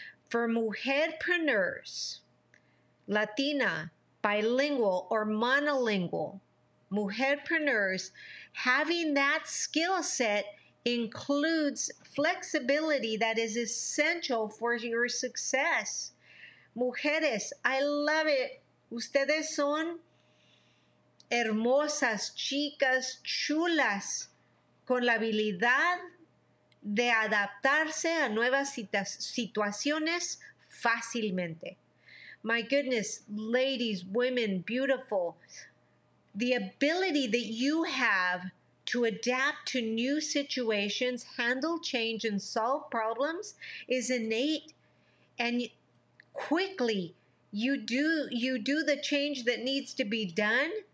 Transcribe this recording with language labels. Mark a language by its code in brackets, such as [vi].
[en] For mujerpreneurs, Latina, bilingual or monolingual mujerpreneurs, having that skill set includes flexibility that is essential for your success. Mujeres, I love it. [es] Ustedes son hermosas, chicas, chulas, con la habilidad de adaptarse a nuevas situaciones fácilmente. [en] My goodness, ladies, women, beautiful. The ability that you have to adapt to new situations, handle change, and solve problems is innate. And quickly, you do the change that needs to be done.